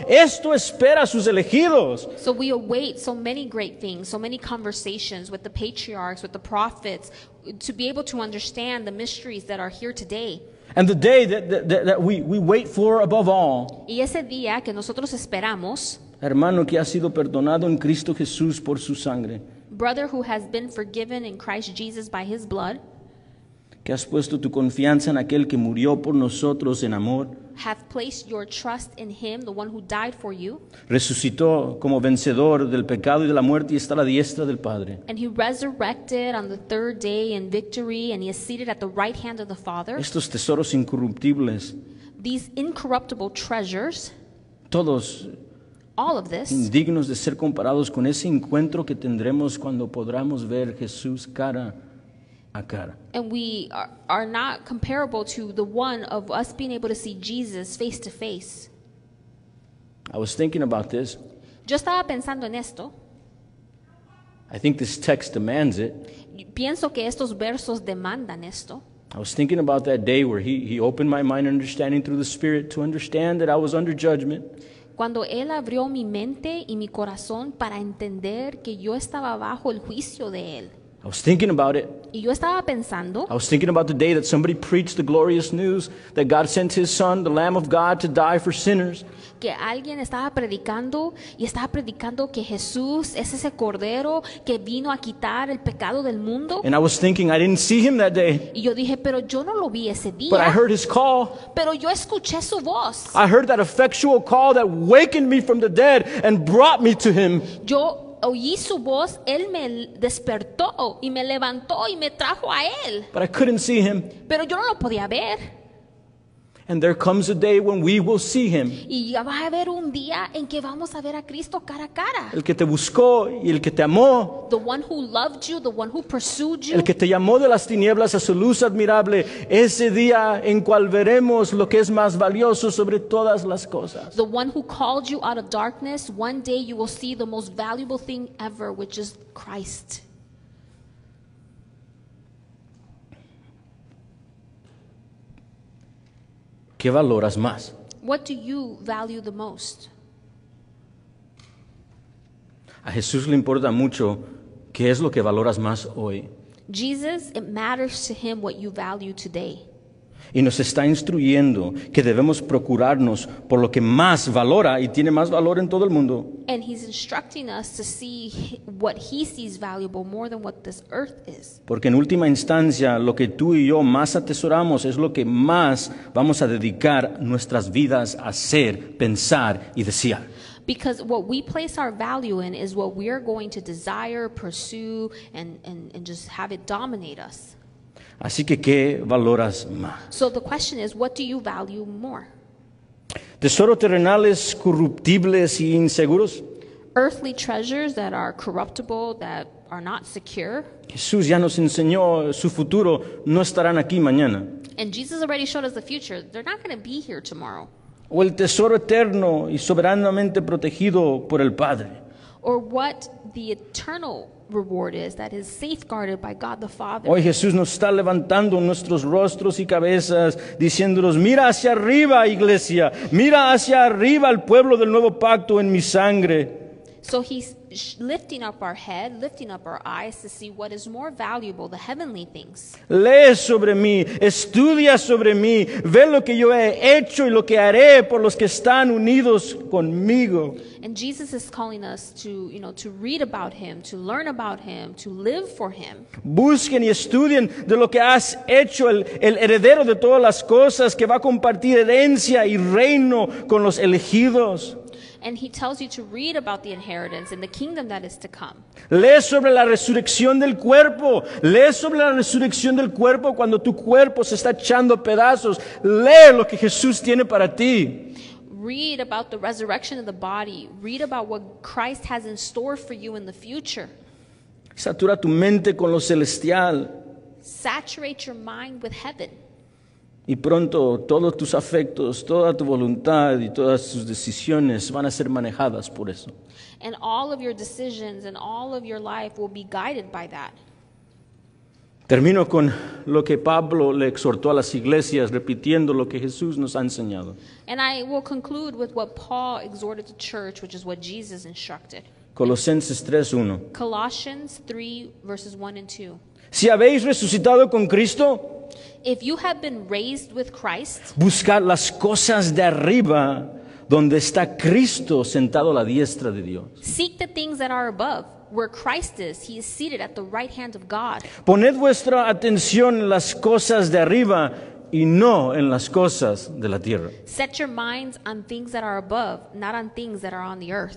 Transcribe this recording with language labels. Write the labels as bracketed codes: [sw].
[es] Esto espera a sus elegidos. [en] So we await so many great things, so many conversations with the patriarchs, with the prophets, to be able to understand the mysteries that are here today. And the day that we wait for above all. [es] Y ese día que nosotros esperamos. Hermano que ha sido perdonado en Cristo Jesús por su sangre. [en] Brother who has been forgiven in Christ Jesus by his blood. [es] Que has puesto tu confianza en aquel que murió por nosotros en amor. [en] Have placed your trust in him, the one who died for you. [es] Resucitó como vencedor del pecado y de la muerte y está a la diestra del Padre. [en] And he resurrected on the third day in victory and he is seated at the right hand of the Father. [es] Estos tesoros incorruptibles. [en] These incorruptible treasures. [es] Todos. [en] All of this. [es] Dignos de ser comparados con ese encuentro que tendremos cuando podamos ver Jesús cara. [en] And we are not comparable to the one of us being able to see Jesus face to face. I was thinking about this. [es] Yo estaba pensando en esto. [en] I think this text demands it. [es] Pienso que estos versos demandan esto. [en] I was thinking about that day where he opened my mind understanding through the Spirit to understand that I was under judgment. [es] Cuando él abrió mi mente y mi corazón para entender que yo estaba bajo el juicio de él. [en] I was thinking about it. [es] Y yo estaba pensando. [en] I was thinking about the day that somebody preached the glorious news that God sent his son, the Lamb of God, to die for sinners. [es] Que alguien estaba predicando y estaba predicando que Jesús es ese cordero que vino a quitar el pecado del mundo. [en] And I was thinking, I didn't see him that day. [es] Y yo dije, pero yo no lo vi ese día. [en] But I heard his call. [es] Pero yo escuché su voz. [en] I heard that effectual call that wakened me from the dead and brought me to him. [es] Yo oí su voz, él me despertó y me levantó y me trajo a él. [en] But I couldn't see him. [es] Pero yo no lo podía ver. [en] And there comes a day when we will see him. [es] Y ya va a haber un día en que vamos a ver a Cristo cara a cara. El que te buscó y el que te amó. [en] The one who loved you, the one who pursued you. [es] El que te llamó de las tinieblas a su luz admirable. Ese día en cual veremos lo que es más valioso sobre todas las cosas. [en] The one who called you out of darkness. One day you will see the most valuable thing ever, which is Christ. [es] ¿Qué valoras más? [en] What do you value the most? [es] A Jesús le importa mucho qué es lo que valoras más hoy. [en] Jesus, it matters to him what you value today. [es] Y nos está instruyendo que debemos procurarnos por lo que más valora y tiene más valor en todo el mundo. [en] And he's instructing us to see what he sees valuable more than what this earth is. [es] Porque en última instancia, lo que tú y yo más atesoramos es lo que más vamos a dedicar nuestras vidas a hacer, pensar y desear. [en] Because what we place our value in is what we are going to desire, pursue, and just have it dominate us. [es] Así que, ¿qué valoras más? [en] So the question is, what do you value more? [es] ¿Tesoros terrenales, corruptibles y inseguros? [en] Earthly treasures that are corruptible, that are not secure. [es] Jesús ya nos enseñó su futuro, no estarán aquí mañana. [en] And Jesus already showed us the future, they're not going to be here tomorrow. [es] O el tesoro eterno y soberanamente protegido por el Padre. [en] Or what the eternal reward is that is safeguarded by God the Father. [es] Hoy Jesús nos está levantando nuestros rostros y cabezas, diciéndonos: mira hacia arriba, iglesia, mira hacia arriba al pueblo del nuevo pacto en mi sangre. [en] So he's lifting up our head, lifting up our eyes to see what is more valuable, the heavenly things. [es] Lee sobre mí, estudia sobre mí, ve lo que yo he hecho y lo que haré por los que están unidos conmigo. [en] And Jesus is calling us to, you know, to read about him, to learn about him, to live for him. [es] Busquen y estudien de lo que has hecho, el heredero de todas las cosas que va a compartir herencia y reino con los elegidos. [en] And he tells you to read about the inheritance and the kingdom that is to come. [es] Lee sobre la resurrección del cuerpo. Lee sobre la resurrección del cuerpo cuando tu cuerpo se está echando pedazos. Lee lo que Jesús tiene para ti. [en] Read about the resurrection of the body. Read about what Christ has in store for you in the future. [es] Satura tu mente con lo celestial. [en] Saturate your mind with heaven. [es] Y pronto todos tus afectos, toda tu voluntad y todas tus decisiones van a ser manejadas por eso. [en] And all of your decisions and all of your life will be guided by that. [es] Termino con lo que Pablo le exhortó a las iglesias, repitiendo lo que Jesús nos ha enseñado. [en] And I will conclude with what Paul exhorted the church, which is what Jesus instructed. [es] Colosenses 3:1. [en] Colossians 3, verses 1 and 2. [es] Si habéis resucitado con Cristo, [en] if you have been raised with Christ, [es] buscad las cosas de arriba, donde está Cristo sentado a la diestra de Dios. [en] Seek the things that are above, where Christ is. He is seated at the right hand of God. [es] Poned vuestra atención en las cosas de arriba y no en las cosas de la tierra. [en] Set your minds on things that are above, not on things that are on the earth.